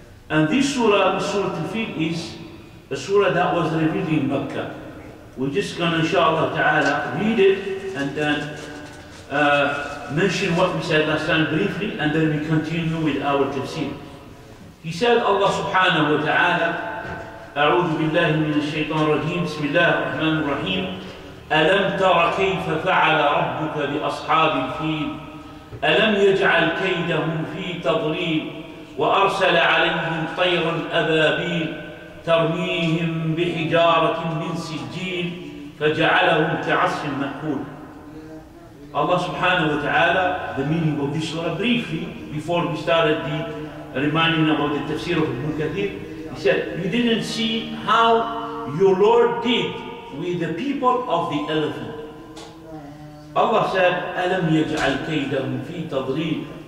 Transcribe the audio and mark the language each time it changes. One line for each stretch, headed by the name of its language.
English: And this surah, Surah Al-Fil, is a surah that was revealed in Mecca. We're just going to, inshallah ta'ala, read it and then mention what we said last time briefly, and then we continue with our tafsir. He said,
Arabic: Allah subhanahu wa ta'ala, أعوذ بالله من الشيطان الرجيم, بسم الله الرحمن الرحيم, ألم تر كيف فعل ربك لأصحاب الفيل, ألم يجعل كيدهم في تضليل, وأرسل عليهم طيرا أبابيل, ترميهم بحجارة من سجيل, فجعلهم كعصف مأكول.
English: Allah subhanahu wa ta'ala, the meaning of this surah briefly, before we started the reminding about the tafsir of Ibn Kathir, he said, you didn't see how your Lord did with the people of the elephant.
Arabic: Allah said, أَلَمْ يَجْعَلْ كَيْدَهُمْ فِي تَضْرِيلٍ.